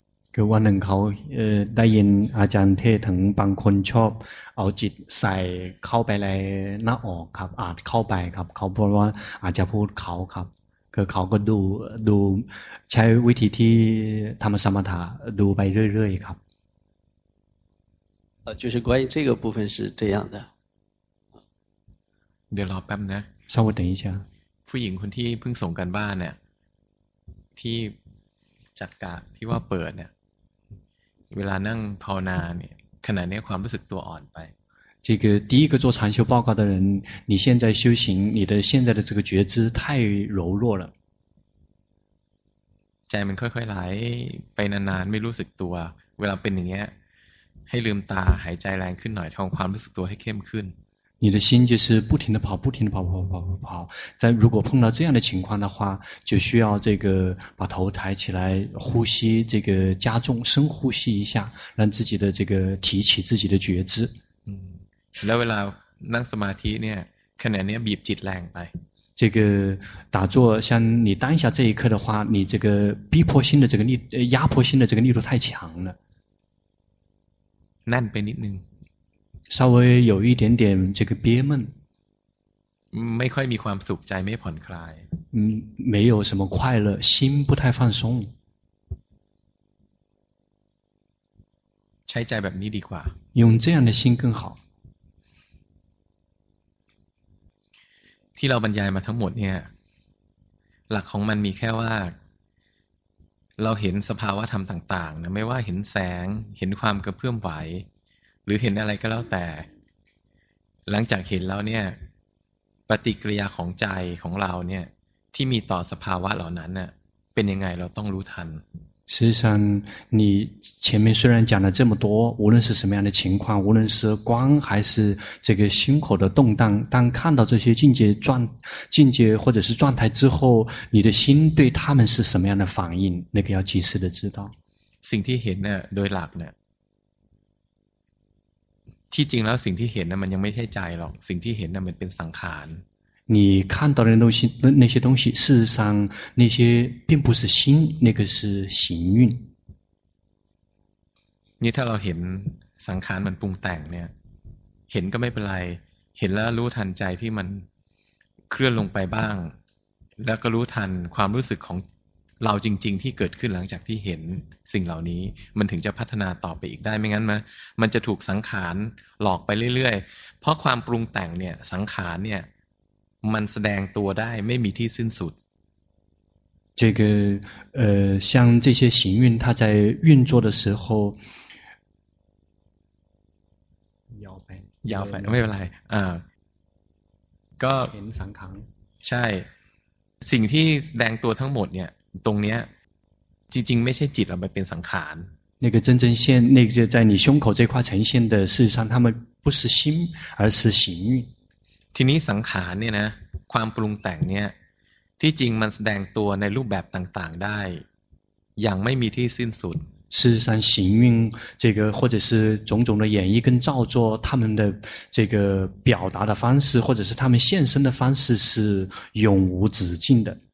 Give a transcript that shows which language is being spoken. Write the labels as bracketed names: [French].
[Thai] คือวันหนึ่งเขาได้ยินอาจารย์เทศถึงบางคนชอบเอาจิตใส่เข้าไปในหน้าอกครับอาจเข้าไปครับเขาบอกว่าอาจจะพูดเขาครับคือเขาก็ดูใช้วิธีที่ทำสมถะดูไปเรื่อยๆครับ [Chinese] 就是关于这个部分是这样的 [Thai] เดี๋ยวรอแป๊บนะ [Chinese] 稍微等一下 [Thai] ผู้หญิงคนที่เพิ่งส่งกันบ้านเนี่ยที่จัดการที่ว่าเปิดเนี่ยเวลานั่งภาวนาเนี่ยขณะนี้ความรู้สึกตัวอ่อนไป [Chinese] 这个第一个做禅修报告的人，你现在修行，你的现在的这个觉知太柔弱了。 [Thai] ใจมันค่อยๆไหลไปนานๆไม่รู้สึกตัวเวลาเป็นอย่างเงี้ยให้ลืมตาหายใจแรงขึ้นหน่อยทำความรู้สึกตัวให้เข้มขึ้น [Chinese] 你的心就是不停的跑，不停的跑，跑，跑，跑，跑。但如果碰到这样的情况的话，就需要这个把头抬起来，呼吸，这个加重深呼吸一下，让自己的这个提起自己的觉知。 [Thai] 嗯，แล้วเวลานั่งสมาธิเนี่ยขณะนี้บีบจิตแรงไป。 [Chinese] 这个打坐，像你当下这一刻的话，你这个逼迫性的这个力，压迫性的这个力度太强了。 [Thai] นั่นไปนิดนึง。 [Chinese] 稍微有一点点这个憋闷， [Thai] ไม่ค่อยมีความสุขใจไม่ผ่อนคลาย， [Chinese] 没有什么快乐，心不太放松。 [Thai] ใช้ใจแบบนี้ดีกว่า， [Chinese] 用这样的心更好。 [Thai] ที่เราบรรยายมาทั้งหมดเนี่ยหลักของมันมีแค่ว่าเราเห็นสภาวะธรรมต่างๆนะไม่ว่าเห็นแสงเห็นความกระเพื่อมไหวหรือเห็นอะไรก็แล้วแต่หลังจากเห็นแล้วเนี่ยปฏิกิริยาของใจของเราเนี่ยที่มีต่อสภาวะเหล่านั้นเนี่ยเป็นยังไงเราต้องรู้ทัน [Chinese] สิ上你前面虽然讲了这么多无论是什么样的情况无论是光还是这个心口的动荡当看到这些境界或者是状态之后你的心对他们是什么样的反应那个要及时的知道 [Thai] สิ่งที่เห็นเนี่ยโดยหลักเนี่ยที่จริงแล้วสิ่งที่เห็นเนี่ยมันยังไม่ใช่ใจหรอกสิ่งที่เห็นเนี่ยมันเป็นสังขาร [Chinese] 你看到的东西，那些东西，事实上那些并不是心，那个是行运。 [Thai] 你ถ้าเราเห็นสังขารมันปรุงแต่งเนี่ยเห็นก็ไม่เป็นไรเห็นแล้วรู้ทันใจที่มันเคลื่อนลงไปบ้างแล้วก็รู้ทันความรู้สึกของเราจริงๆที่เกิดขึ้นหลังจากที่เห็นสิ่งเหล่านี้มันถึงจะพัฒนาต่อไปอีกได้ไม่งั้นมันจะถูกสังขารหลอกไปเรื่อยๆเพราะความปรุงแต่งเนี่ยสังขารเนี่ยมันแสดงตัวได้ไม่มีที่สิ้นสุด [Chinese] 这个像这些行运它在运作的时候 [Thai] ยาวไป ยาวไปไม่เป็นไรก็ เห็นสังขาร ใช่สิ่งที่แสดงตัวทั้งหมดเนี่ยตรงเนี้ยจริงๆไม่ใช่จิตเราไปเป็นสังขาร [Chinese] 那个真正现那个在你胸口这块呈现的事实上他们不是心而是行运 [Thai] ทีนี้สังขารเนี่ยนะความปรุงแต่งเนี่ยที่จริงมันแสดงตัวในรูปแบบต่างๆได้อย่างไม่มีที่สิ้นสุด [Chinese] 事实上行运这个或者是种种的演绎跟造作他们的这个表达的方式或者是他们现身的方式是永无止境的